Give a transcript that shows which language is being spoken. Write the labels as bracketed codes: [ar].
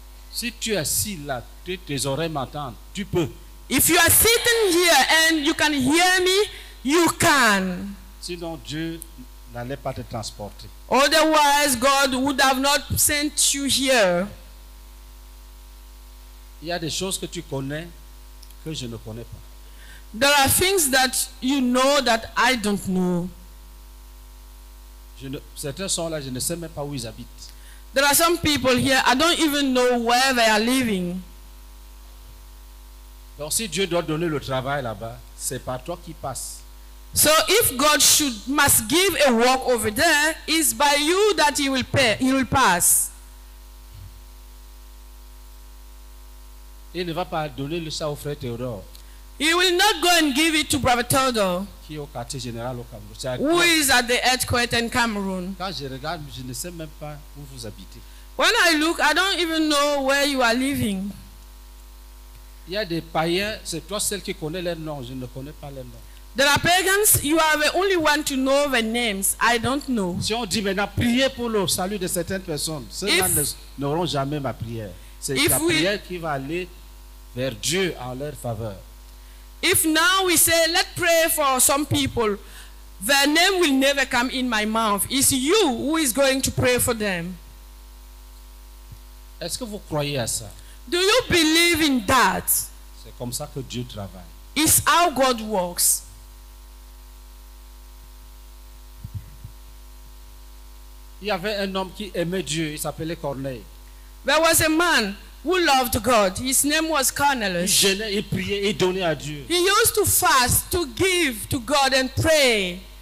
[fr] Si tu es assis là, tes oreilles m'entendent, tu peux. [en] If you are sitting here and you can hear me, you can. [fr] Sinon Dieu n'allait pas te transporter. [en] Otherwise, God would have not sent you here. [fr] Il y a des choses que tu connais que je ne connais pas. [en] There are things that you know that I don't know. [fr] Certains sont là, je ne sais même pas où ils habitent. [en] There are some people here, I don't even know where they are living. [fr] Donc si Dieu doit donner le travail là-bas, c'est par toi qui passe. [en] So if God must give a work over there, it's by you that he will pass. [fr] Il ne va pas donner le ça au frère Théodore. [en] He will not go and give it to Brother Théodore. [fr] Qui est au quartier général au Cameroun. [en] Who is at the headquarters in Cameroon? [fr] Quand je regarde, je ne sais même pas où vous habitez. [en] When I look, I don't even know where you are living. [fr] Il y a des païens, c'est toi seul qui connais leurs noms, je ne connais pas leurs noms. [en] There are pagans, you are the only one to know the names. I don't know. [fr] Si on dit maintenant, priez pour le salut de certaines personnes, ceux-là n'auront jamais ma prière. C'est la prière qui va aller vers Dieu en leur faveur. [en] If now we say, let's pray for some people, their name will never come in my mouth. It's you who is going to pray for them. [fr] Est-ce que vous croyez à ça? [en] Do you believe in that? [fr] C'est comme ça que Dieu travaille. [en] It's how God works. [fr] Il y avait un homme qui aimait Dieu, il s'appelait Corneille. [en] There was a man who loved God. His name was Cornelius. [fr] Il jeûnait, il priait, il donnait à Dieu. [en] He used to fast, to give to God and pray.